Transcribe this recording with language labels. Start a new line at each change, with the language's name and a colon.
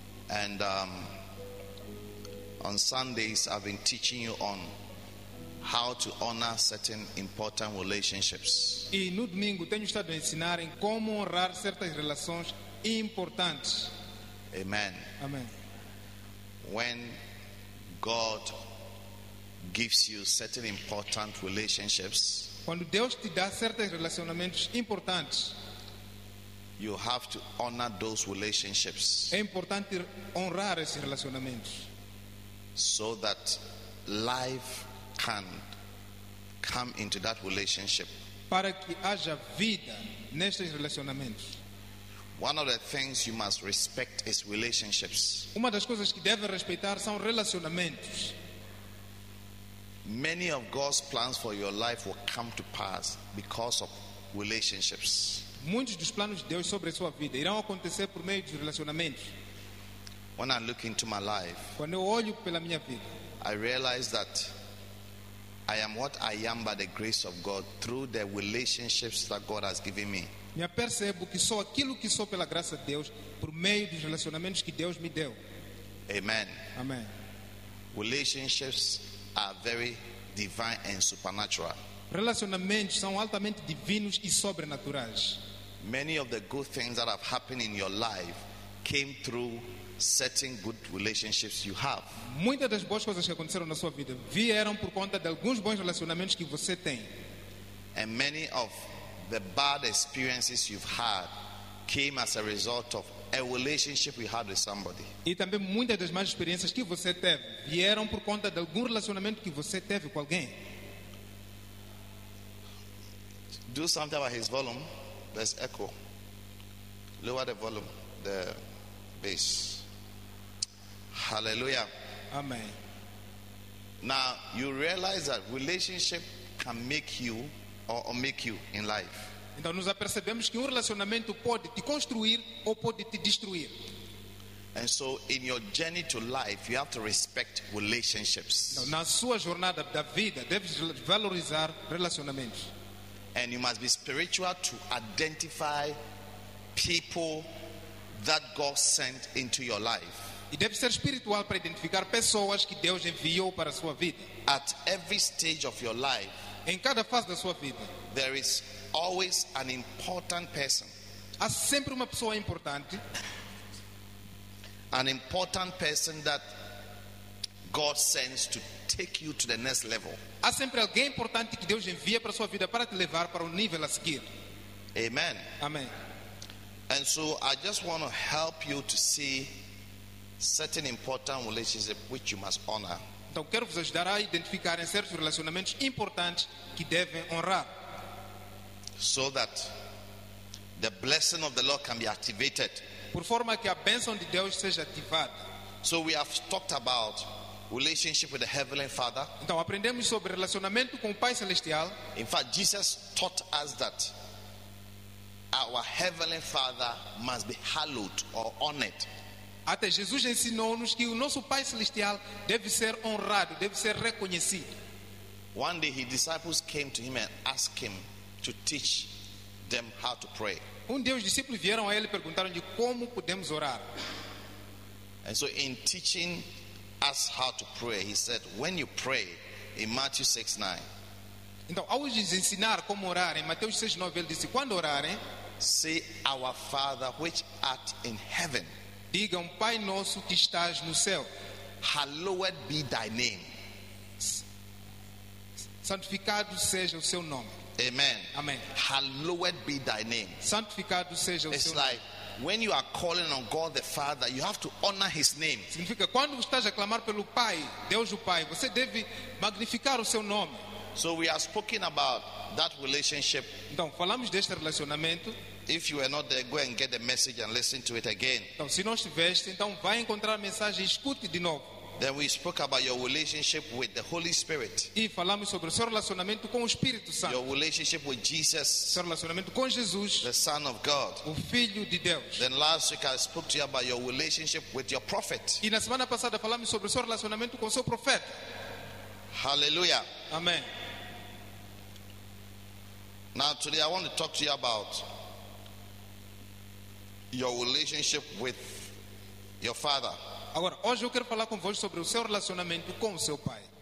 English: And on Sundays I've been teaching you on how to honor certain important relationships.
Portuguese: E no domingo tenho estado a ensinar em como honrar certas relações importantes.
English: Amen.
Portuguese: Amen.
English: When God gives you certain important relationships,
Portuguese: quando Deus te dá certos relacionamentos importantes,
English: you have to honor those relationships.
Portuguese: É importante honrar esses relacionamentos.
English: So that life can come into that relationship.
Portuguese: Para que haja vida nestes relacionamentos.
English: One of the things you must respect is relationships.
Portuguese: Uma das coisas que deve respeitar são relacionamentos.
English: Many of God's plans for your life will come to pass because of relationships.
Portuguese: Muitos dos planos de Deus sobre a sua vida irão acontecer por meio de relacionamentos.
English: When I look into my life,
Portuguese: quando eu olho pela minha vida,
English: I realize that I am what I am by the grace of God through the relationships that God has given me.
Portuguese: Me apercebo que sou aquilo que sou pela graça de Deus por meio dos relacionamentos que Deus me deu.
English: Amen.
Portuguese: Amen.
English: Relationships are very divine and supernatural.
Portuguese: Relacionamentos são altamente divinos e sobrenaturais.
English: Many of the good things that have happened in your life came through certain good relationships you have.
Portuguese: Muitas das boas coisas que aconteceram na sua vida vieram por conta de alguns bons relacionamentos que você tem.
English: And many of the bad experiences you've had came as a result of a relationship we had with somebody.
Portuguese: E também muitas das más experiências que você teve vieram por conta de algum relacionamento que você teve com alguém.
English: Do something about his volume. There's echo. Lower the volume, the bass. Hallelujah. Amen. Now you realize that relationship can make you or make you in life.
Portuguese: Então nós percebemos que relacionamento pode te construir ou pode te destruir.
English: And so in your journey to life, you have to respect relationships.
Portuguese: Então, na sua jornada da vida, deve valorizar relacionamentos.
English: And you must be spiritual to identify people that God sent into your life.
Portuguese: E deve ser espiritual para identificar pessoas que Deus enviou para a sua vida.
English: At every stage of your life,
Portuguese: em cada fase da sua vida,
English: there is always an important person.
Portuguese: Há sempre uma pessoa importante.
English: An important person that God sends to take you to the next level.
Portuguese: Há sempre alguém importante que Deus envia para a sua vida para te levar para o nível a seguir.
English: Amen.
Portuguese: Amém.
English: And so I just want to help you to see certain important relationships which you must honor.
Portuguese: Então quero vos ajudar a identificar certos relacionamentos importantes que devem honrar.
English: So that the blessing of the Lord can be activated.
Portuguese: Por forma que a bênção de Deus seja ativada.
English: So we have talked about relationship with the Heavenly Father.
Portuguese: Então aprendemos sobre relacionamento com o Pai Celestial.
English: In fact, Jesus taught us that our Heavenly Father must be hallowed or honored.
Portuguese: Até Jesus ensinou-nos que o nosso Pai Celestial deve ser honrado, deve ser reconhecido.
English: One day his disciples came to him and asked him to teach them how to pray.
Portuguese: Um dia os discípulos vieram a ele e perguntaram-lhe como podemos orar.
English: And so in teaching us how to pray, he said, when you pray, in Matthew 6:9.
Portuguese: Então, ao lhes ensinar como orar, em Mateus 6:9, ele disse, quando orarem,
English: say, our Father which art in heaven.
Portuguese: Digam, Pai nosso que estás no céu.
English: Hallowed be thy name.
Portuguese: Santificado seja o seu nome.
English: Amen.
Portuguese: Amen.
English: Hallowed be thy name.
Portuguese: Santificado seja o
English: It's
Portuguese: seu
English: like,
Portuguese: nome.
English: It's like when you are calling on God the Father, you have to honor his name.
Portuguese: Significa quando estás a clamar pelo Pai, Deus o Pai, você deve magnificar o seu nome.
English: So we are spoken about that relationship.
Portuguese: Então, falamos deste relacionamento.
English: If you are not there, go and get the message and listen to it again.
Portuguese: Então, se não estiveste, então vai encontrar a mensagem e escute de novo.
English: Then we spoke about your relationship with the Holy Spirit.
Portuguese: E falamos sobre o seu relacionamento com o Espírito Santo.
English: Your relationship with Jesus.
Portuguese: Seu relacionamento com Jesus.
English: The Son of God.
Portuguese: O Filho de Deus.
English: Then last week I spoke to you about your relationship with your prophet.
Portuguese: E na semana passada falamos sobre o seu relacionamento com o seu profeta.
English: Hallelujah.
Portuguese: Amen.
English: Now today I want to talk to you about your relationship with your father.
Portuguese: Agora, hoje eu quero falar convosco sobre o seu relacionamento com o seu pai.